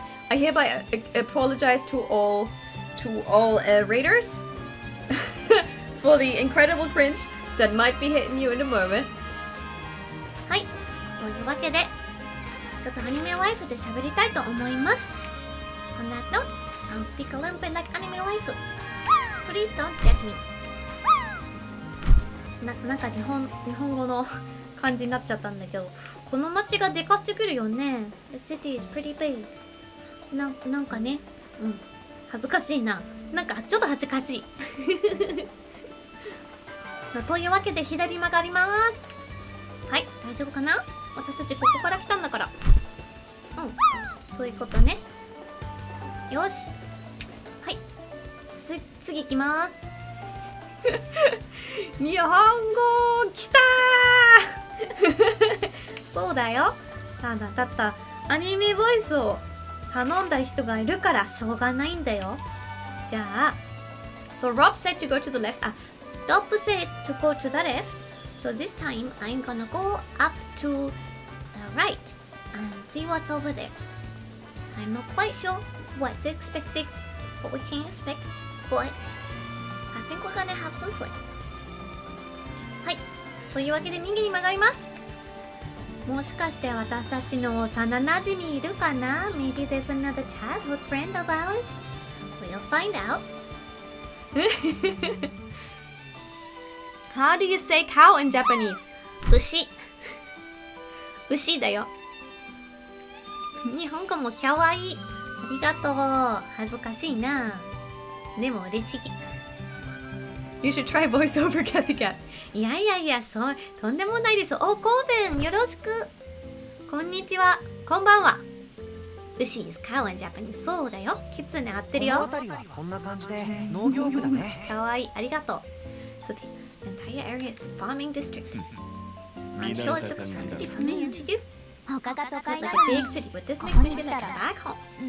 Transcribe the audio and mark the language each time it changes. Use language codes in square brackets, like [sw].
[en] I hereby apologize to all raiders for the incredible cringe that might be hitting you in a moment. [ja] はい、というわけで、ちょっとアニメワイフで喋りたいと思います。 [en] On that note, I'll speak a little bit like anime waifu. Please don't judge me. [ja] なんか日本語の感じになっちゃったんだけど、この街がでかすぎるよね。 [en] The city is pretty big. [ja] なんかね、うん、恥ずかしいな。なんかちょっと恥ずかしい。というわけで左曲がります。はい、大丈夫かな？私たちここから来たんだから。うん、そういうことね。よし。はい、次行きます。日本語来たそうだよ。ただただアニメボイスを頼んだ人がいるからしょうがないんだよ。じゃあ、 [en] So Rob said to go to the left. あ、 Rob said to go to the left. So this time I'm gonna go up to the right and see what's over there. I'm not quite sure what's expected, what we can expect, but I think we're gonna have some fun. [ja] はい、というわけで右に曲がります。もしかして私たちの幼なじみいるかな [en] ?Maybe there's another childhood friend of ours?We'll find out.How do you say cow in Japanese? [ja] 牛。牛だよ。日本語もかわいい。ありがとう。恥ずかしいな。でも嬉しい。 [en] You should try voiceover, Cathy Cat. Yeah, yeah, yeah. [ja] So, とんでもないです。 Oh, Koben, よろしく。こんにちは。こんばんは。牛 [en] is cow in Japanese. [ja] そうだよ。キツネ合ってるよ。この辺りはこんな感じで農業区だね。かわいい。ありがとう。 [en] So, the entire area is the farming district. I'm sure it looks pretty familiar to you. [ja] 他が都会だ。 [en] Like a big city, but this makes me feel like a back home.